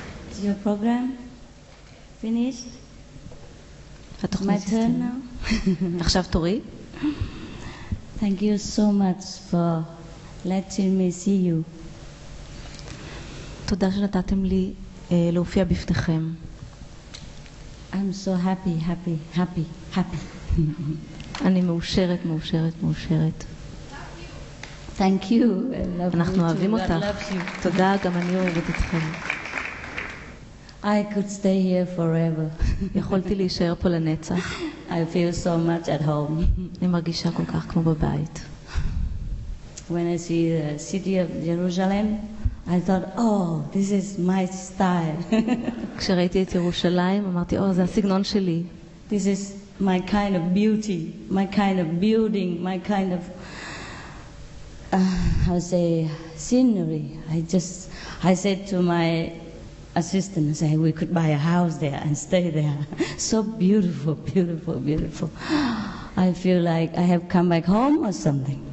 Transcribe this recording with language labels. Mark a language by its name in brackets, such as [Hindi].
[English] Is your program finished? My turn now? [Hebrew] עכשיו תורי. [English] Thank you so much for letting me see you. [Hebrew] תודה שנתתם לי להופיע בפניכם. [English] I'm so happy, happy, happy, happy. [Hebrew] אני מאושרת, מאושרת, מאושרת. [English] Thank you. [Hebrew] אנחנו אוהבים אותך. תודה, גם אני אוהבת אתכם. [English] I could stay here forever. [Hebrew] יכולתי להישאר פה לנצח. [English] I feel so much at home. [Hebrew] אני מרגישה כל כך כמו בבית. [English] When I see the city of Jerusalem, I thought, oh, this is my style. [Hebrew] כשראיתי את ירושלים, אמרתי, oh, זה הסגנון שלי. [English] This is my kind of beauty, my kind of building, my kind of, how to say, scenery. I said to my assistant, I said, we could buy a house there and stay there. So beautiful, beautiful, beautiful. I feel like I have come back home or something.